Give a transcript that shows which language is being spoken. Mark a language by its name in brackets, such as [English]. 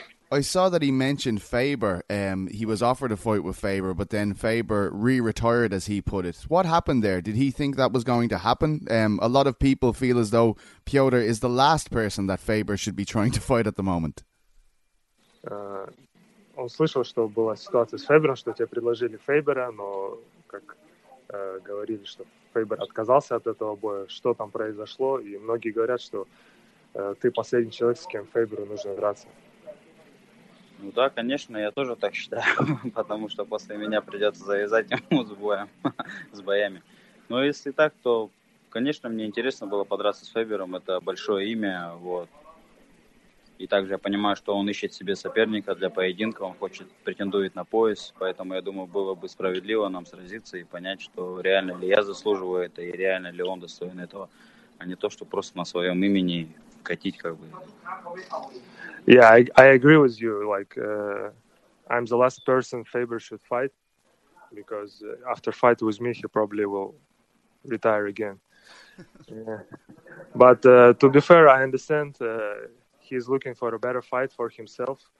[English] I saw that he mentioned Faber. He was offered a fight with Faber, but then Faber re-retired, as he put it. What happened there? Did he think that was going to happen? A lot of people feel as though Piotr is the last person that Faber should be trying to fight at the moment. [Russian] Он слышал, что была ситуация с Фейбером, что тебе предложили Фейбера, но как говорили, что Фейбер отказался от этого боя. Что там произошло? И многие говорят, что ты последний человек, с кем Фейберу нужно драться. Ну да, конечно, я тоже так считаю, потому что после меня придется завязать ему с боем, с боями. Но если так, то, конечно, мне интересно было подраться с Фейбером, это большое имя, вот. И также я понимаю, что он ищет себе соперника для поединка, он хочет претендует на пояс, поэтому я думаю, было бы справедливо нам сразиться и понять, что реально ли я заслуживаю это и реально ли он достоин этого, а не то, что просто на своем имени катить как бы. [English] Yeah, I agree with you. Like, I'm the last person Faber should fight because after fight with me, he probably will retire again. Yeah. But to be fair, I understand. He's looking for a better fight for himself.